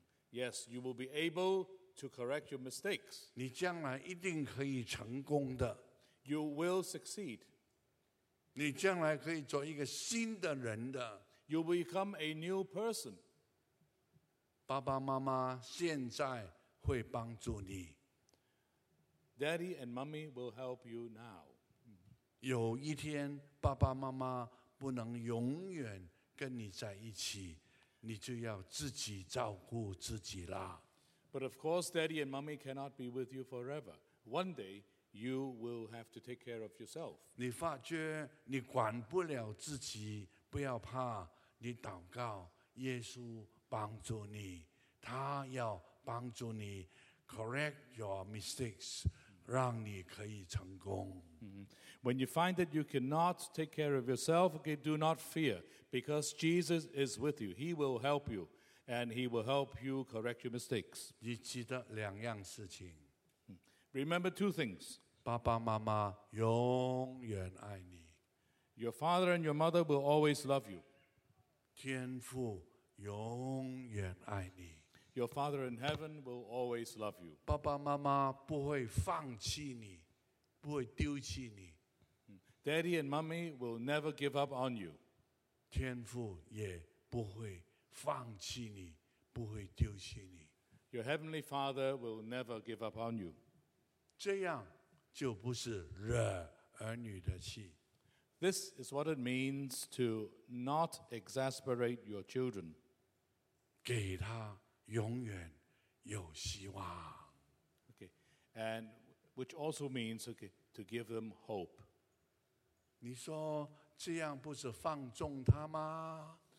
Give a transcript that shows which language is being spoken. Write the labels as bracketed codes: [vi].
[en] Yes, you will be able to correct your mistakes. [zh] 你将来一定可以成功的。 [en] You will succeed. [zh] 你将来可以做一个新的人的。 [en] You will become a new person. [zh] 爸爸妈妈现在会帮助你。 [en] Daddy and mommy will help you now. [zh] 有一天爸爸妈妈不能永远跟你在一起，你就要自己照顾自己啦。 [en] But of course, daddy and mommy cannot be with you forever. One day, you will have to take care of yourself. [zh] 你发觉你管不了自己，不要怕，你祷告，耶稣帮助你，他要帮助你 [en] correct your mistakes, [zh] 让你可以成功。 [en] When you find that you cannot take care of yourself, okay, do not fear, because Jesus is with you. He will help you, and he will help you correct your mistakes. [zh] 你记得两样事情。 [en] Remember two things. [zh] 爸爸妈妈永远爱你。 [en] Your father and your mother will always love you. [zh] 天父永远爱你。 [en] Your father in heaven will always love you. [zh] 爸爸妈妈不会放弃你。不会丢弃你。 [en] Daddy and mommy will never give up on you. [zh] 天父也不会放弃你，不会丢弃你。 [en] Your heavenly father will never give up on you. [zh] 这样就不是惹儿女的气。 [en] This is what it means to not exasperate your children. [zh] 给他永远有希望。 [en] Okay, and which also means, okay, to give them hope. [zh] 你说这样不是放纵他吗？